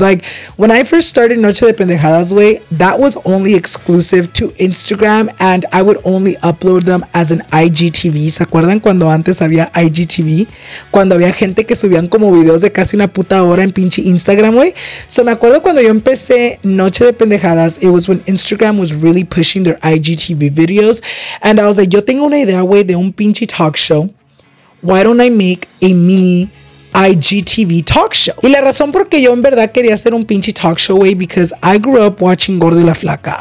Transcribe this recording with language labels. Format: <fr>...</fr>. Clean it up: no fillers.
<en>Like, when I first started Noche de Pendejadas, güey, that was only exclusive to Instagram and I would only upload them as an IGTV.</en> <es>¿Se acuerdan cuando antes había IGTV? Cuando había gente que subían como videos de casi una puta hora en pinche Instagram, güey. So me acuerdo cuando yo empecé Noche de Pendejadas,</es> <en>it was when Instagram was really pushing their IGTV videos and I was like,</en> <es>yo tengo una idea, güey, de un pinche talk show</es> <en>why don't I make a mini IGTV talk show?</en> <es>Y la razón por que yo en verdad quería hacer un pinche talk show, güey,</es> <en>because I grew up watching</en> <es>Gordo y la Flaca.</es>